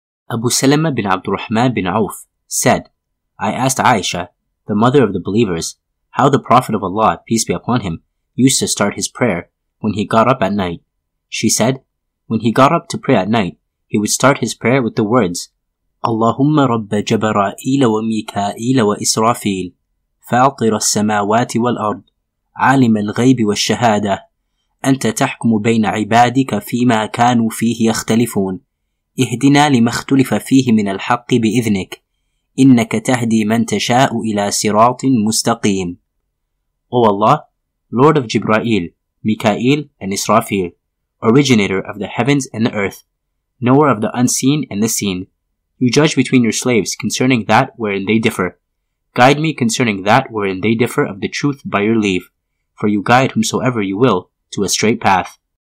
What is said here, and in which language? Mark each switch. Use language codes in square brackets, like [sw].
[en] Abu Salama bin Abdurrahman bin Auf said, I asked Aisha, the mother of the believers, how the Prophet of Allah, peace be upon him, used to start his prayer when he got up at night. She said, when he got up to pray at night, he would start his prayer with the words, [ar] Allahumma rabba Jabra'il wa Mika'il wa Israfil, فاطر السماوات والأرض عالم الغيب والشهادة أنت تحكم بين عبادك فيما كانوا فيه يختلفون اهدنا لما اختلف فيه من الحق بإذنك إنك تهدي من تشاء إلى صراط مستقيم. [en] O Allah, Lord of Jibrail, Mikael and Israfil, originator of the heavens and the earth, knower of the unseen and the seen, you judge between your slaves concerning that wherein they differ. Guide me concerning that wherein they differ of the truth by your leave, for you guide whomsoever you will to a straight path.